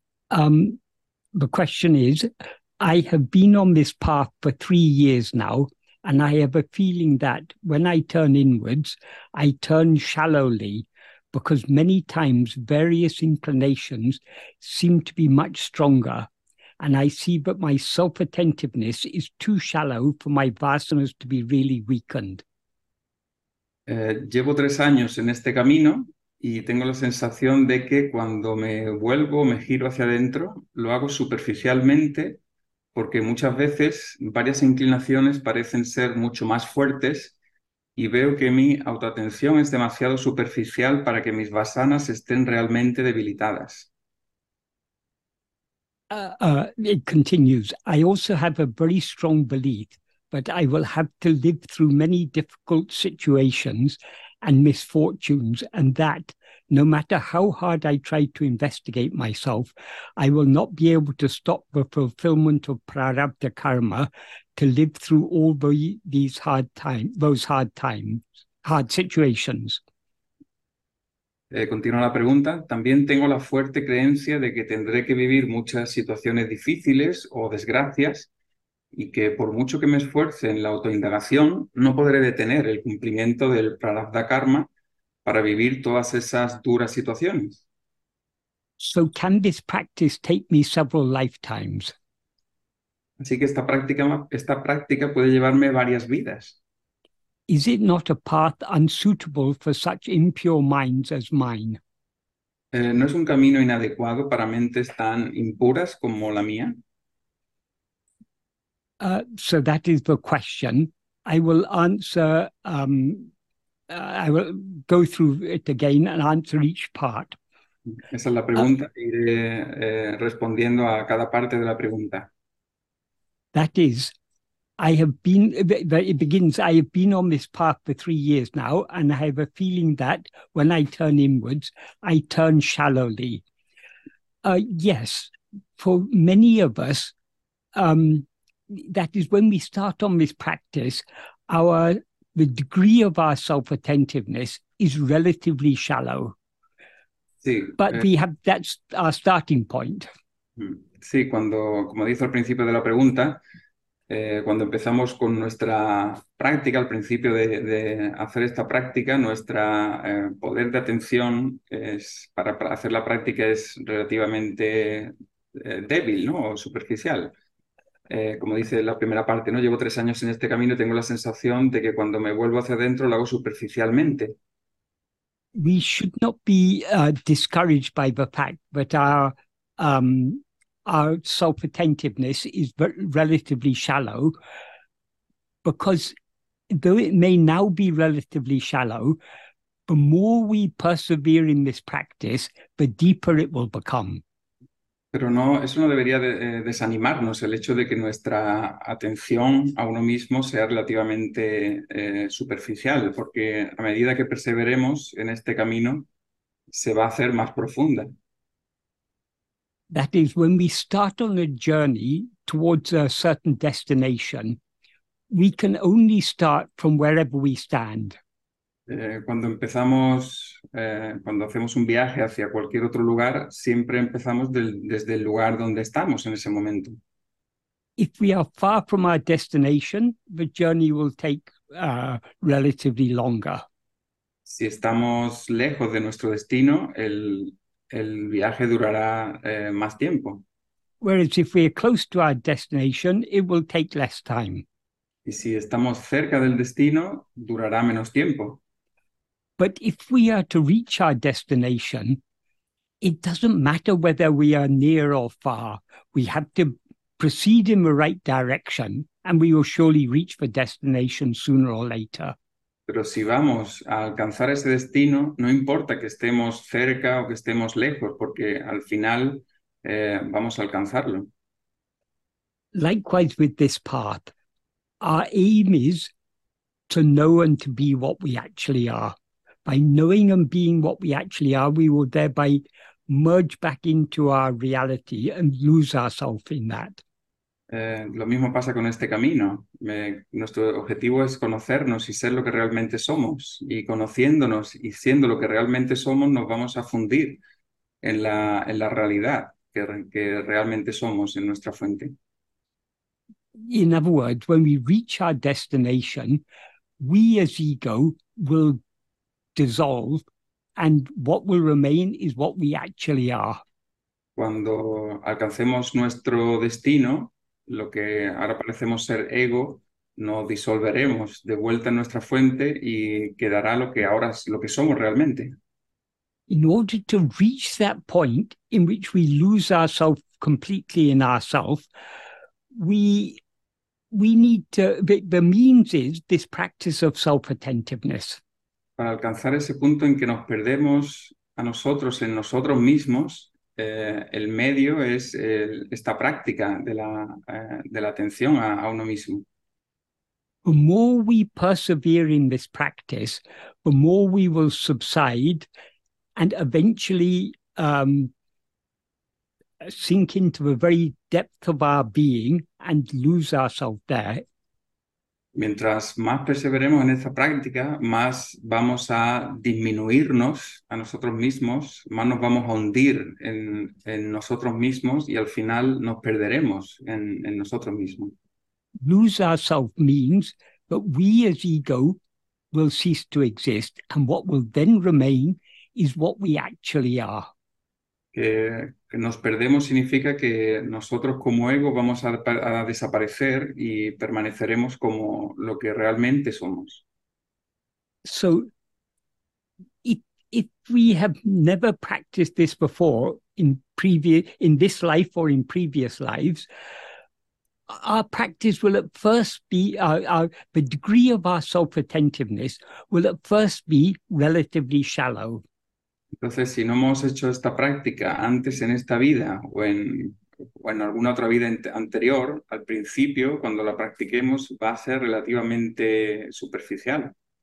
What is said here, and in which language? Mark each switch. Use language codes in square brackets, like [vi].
[en] The question is, I have been on this path for 3 years now, and I have a feeling that when I turn inwards, I turn shallowly because many times various inclinations seem to be much stronger, and I see that my self-attentiveness is too shallow for my vasanas to be really weakened. [es] Llevo 3 años en este camino y tengo la sensación de que cuando me vuelvo, me giro hacia adentro, lo hago superficialmente porque muchas veces varias inclinaciones parecen ser mucho más fuertes y veo que mi autoatención es demasiado superficial para que mis vasanas estén realmente debilitadas. [en] It continues. I also have a very strong belief that I will have to live through many difficult situations and misfortunes, and that no matter how hard I try to investigate myself, I will not be able to stop the fulfillment of prarabdha karma to live through all these hard times, those hard times, hard situations. [es] Continúa la pregunta. También tengo la fuerte creencia de que tendré que vivir muchas situaciones difíciles o desgracias y que por mucho que me esfuerce en la autoindagación, no podré detener el cumplimiento del prarabdha karma para vivir todas esas duras situaciones. [en] So can this practice take me several lifetimes? [es] Así que esta práctica puede llevarme varias vidas. [en] Is it not a path unsuitable for such impure minds as mine? [es] ¿No es un camino inadecuado para mentes tan impuras como la mía? [en] So that is the question. I will answer, I will go through it again and answer each part. [es] Esa es la pregunta. Iré respondiendo a cada parte de la pregunta. [en] That is, I have been, it begins, I have been on this path for 3 years now, and I have a feeling that when I turn inwards, I turn shallowly. Yes, for many of us, that is when we start on this practice, the degree of our self-attentiveness is relatively shallow. [es] Sí, [en] But we have, that's our starting point. [es] cuando, como dice al principio de la pregunta, cuando empezamos con nuestra práctica, al principio de hacer esta práctica, nuestra poder de atención es para hacer la práctica es relativamente débil, ¿no? O superficial. Como dice la primera parte, ¿no? Llevo 3 años en este camino y tengo la sensación de que cuando me vuelvo hacia adentro lo hago superficialmente. [en] We should not be discouraged by the fact that our self-attentiveness is relatively shallow, because though it may now be relatively shallow, the more we persevere in this practice, the deeper it will become. [es] Pero no, eso no debería de desanimarnos, el hecho de que nuestra atención a uno mismo sea relativamente superficial, porque a medida que perseveremos en este camino, se va a hacer más profunda. [en] That is, when we start on a journey towards a certain destination, we can only start from wherever we stand. [es] Cuando empezamos, cuando hacemos un viaje hacia cualquier otro lugar, siempre empezamos desde el lugar donde estamos en ese momento. [en] If we are far from our destination, the journey will take, relatively longer. [es] Si estamos lejos de nuestro destino, el viaje durará, más tiempo. [en] Whereas if we are close to our destination, it will take less time. [es] Y si estamos cerca del destino, durará menos tiempo. [en] But if we are to reach our destination, it doesn't matter whether we are near or far. We have to proceed in the right direction, and we will surely reach the destination sooner or later. [es] Pero si vamos a alcanzar ese destino, no importa que estemos cerca o que estemos lejos, porque al final vamos a alcanzarlo. [en] Likewise with this path, our aim is to know and to be what we actually are. By knowing and being what we actually are, we will thereby merge back into our reality and lose ourselves in that. [es] Lo mismo pasa con este camino. Nuestro objetivo es conocernos y ser lo que realmente somos. Y conociéndonos y siendo lo que realmente somos, nos vamos a fundir en la realidad que realmente somos en nuestra fuente. [en] In other words, when we reach our destination, we as ego will dissolve, and what will remain is what we actually are. [es] Cuando alcancemos nuestro destino, lo que ahora parecemos ser ego, nos disolveremos de vuelta en nuestra fuente y quedará lo que ahora es lo que somos realmente. [en] In order to reach that point in which we lose ourselves completely in ourselves, we need to, the means is this practice of self-attentiveness. [es] Para alcanzar ese punto en que nos perdemos a nosotros en nosotros mismos, el medio es esta práctica de la atención a uno mismo. [en] The more we persevere in this practice, the more we will subside and eventually sink into the very depth of our being and lose ourselves there. [es] Mientras más perseveremos en esta práctica, más vamos a disminuirnos a nosotros mismos, más nos vamos a hundir en nosotros mismos y al final nos perderemos en nosotros mismos. [en] Lose ourselves means that we as ego will cease to exist, and what will then remain is what we actually are. [es] Que nos perdemos significa que nosotros como ego vamos a desaparecer y permaneceremos como lo que realmente somos. [en] So, if we have never practiced this before in this life or in previous lives, our practice will at first be, the degree of our self-attentiveness will at first be relatively shallow. [es] Entonces, si no hemos hecho esta práctica antes en esta vida o en alguna otra vida anterior, al principio, cuando la practiquemos, va a ser relativamente superficial.